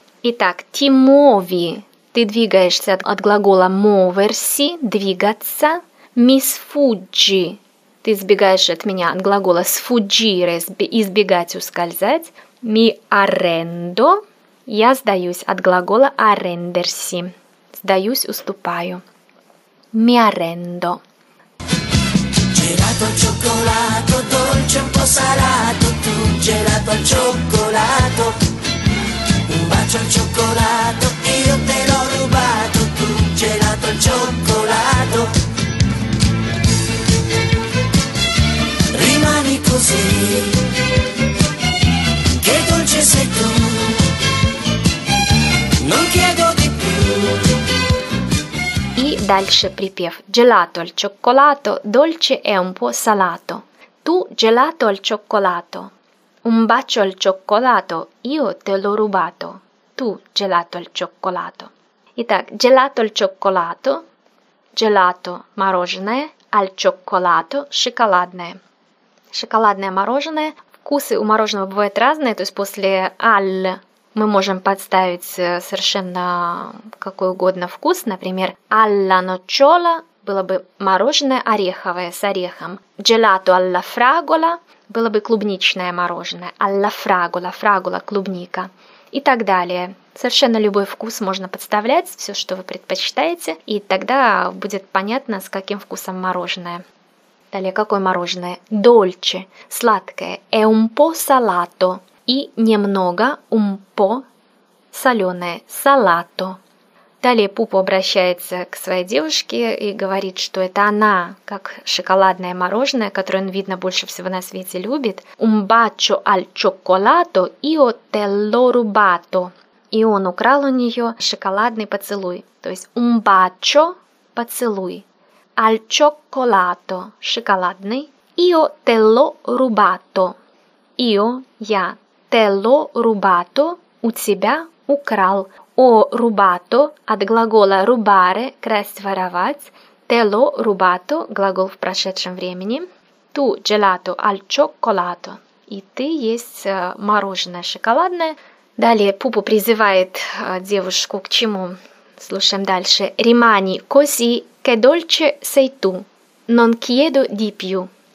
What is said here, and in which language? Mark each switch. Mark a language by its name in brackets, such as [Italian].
[Russian] Итак, [Italian] «ti muovi» [Russian] – ты двигаешься от глагола «moversi» – двигаться. [Italian] «Mi sfuggi» [Russian] – ты избегаешь от меня от глагола «sfuggire» – избегать, ускользать. [Italian] «Mi arrendo» [Russian] – я сдаюсь от глагола «arrendersi» – сдаюсь, уступаю. [Italian] «Mi arrendo». Gelato al cioccolato, dolce un po' salato, tu gelato al cioccolato. Un bacio al cioccolato, io te l'ho rubato, tu gelato al cioccolato. Rimani così, che dolce sei tu. Non chiedo di più. [Russian] Дальше припев [Italian] «Gelato al cioccolato, dolce è un po' salato». «Tu gelato al cioccolato». «Un bacio al cioccolato, io te l'ho rubato». «Tu gelato al cioccolato». Итак, «Gelato al cioccolato», «Gelato» – мороженое, «Al cioccolato» – шоколадное. [Russian] Шоколадное мороженое. Вкусы у мороженого бывают разные, то есть после «al» мы можем подставить совершенно какой угодно вкус. Например, [Italian] alla nocciola [Russian] было бы мороженое ореховое с орехом. [Italian] Gelato alla fragola [Russian] было бы клубничное мороженое. Alla fragola, фрагула, клубника. И так далее. Совершенно любой вкус можно подставлять, все, что вы предпочитаете. И тогда будет понятно, с каким вкусом мороженое. Далее, какое мороженое? Dolce, сладкое. [Italian] È un po' salato. [Russian] И немного [Italian] un po' [Russian] соленое, салато. Далее Пупо обращается к своей девушке и говорит, что это она, как шоколадное мороженое, которое он, видно, больше всего на свете любит. [Italian] Un bacio al cioccolato, io te l'ho rubato. [Russian] И он украл у нее шоколадный поцелуй. [Italian] То есть un bacio, поцелуй, al cioccolato, шоколадный, io te l'ho rubato, io, я. «Te l'ho rubato» [Russian] – «у тебя украл». [Italian] «O rubato» [Russian] – от глагола «rubare» – «красть, воровать». [Italian] «Te l'ho rubato» [Russian] – глагол в прошедшем времени. [Italian] «Tu gelato al cioccolato» [Russian] – «и ты есть мороженое шоколадное». Далее Пупу призывает девушку к чему? Слушаем дальше. [Italian] «Rimani così, che dolce sei tu, non chiedo di più».